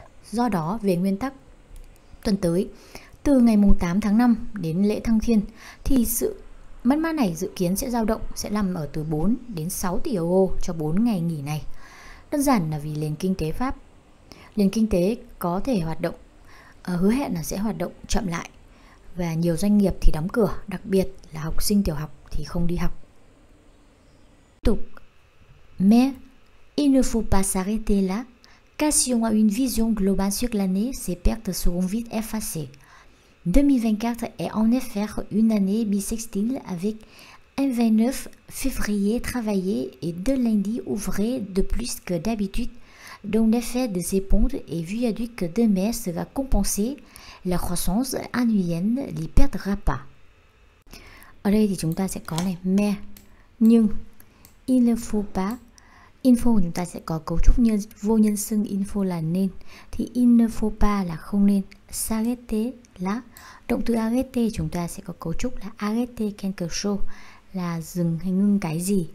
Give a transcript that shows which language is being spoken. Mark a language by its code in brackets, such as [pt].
[vi] Do đó, về nguyên tắc, tuần tới, từ ngày 8 tháng 5 đến lễ thăng thiên thì sự mất mát này dự kiến sẽ dao động, sẽ nằm ở từ 4 đến 6 tỷ euro cho 4 ngày nghỉ này. Đơn giản là vì nền kinh tế Pháp, nền kinh tế có thể hoạt động, hứa hẹn là sẽ hoạt động chậm lại. Và nhiều doanh nghiệp thì đóng cửa, đặc biệt là học sinh tiểu học thì không đi học. Tiếp tục. [fr] Mais il ne faut pas s'arrêter là. Car si on a une vision globale sur l'année, ces pertes seront vite effacées. 2024 est en effet une année bissextile avec un 29 février travaillé et deux lundis ouvrés de plus que d'habitude, dont l'effet de ces pontes et viaduc de mai sera compensé. La croissance annuelle n'y perdra pas. [vi] Ở đây thì chúng ta sẽ có này, mais, nhưng, [fr] il ne faut pas. [vi] Info chúng ta sẽ có cấu trúc như vô nhân xưng info là nên. Thì [fr] il ne faut pas [vi] là không nên. [fr] S'arrêter là [vi] động từ arrêter chúng ta sẽ có cấu trúc là [fr] arrêter quelque chose [vi] là dừng hay ngưng cái gì.